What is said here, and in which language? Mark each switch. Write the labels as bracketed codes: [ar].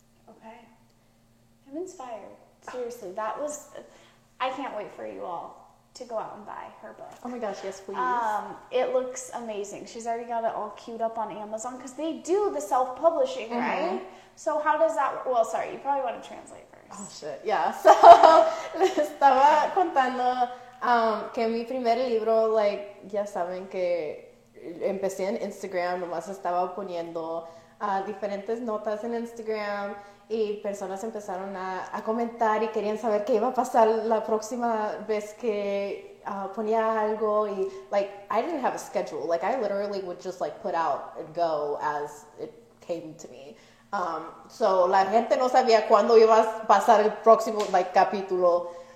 [en] Okay. I'm inspired. Seriously, that was, I can't wait for you all to go out and buy her book. Oh my gosh, yes, please. It looks amazing. She's already got it all queued up on Amazon because they do the self-publishing, mm-hmm. right? So how does that work? Well, sorry, you probably want to translate first. Oh, shit, yeah. [es] So, le estaba contando que mi primer libro, like, ya saben que empecé en Instagram, nomás estaba poniendo diferentes notas en Instagram. Y personas empezaron a comentar y querían saber qué iba a pasar la próxima vez que ponía algo. [en] Y, like, I didn't have a schedule. Like, I literally would just, like, put out and go as it came to me. [es] So, la gente no sabía cuándo iba a pasar el próximo, like, capítulo.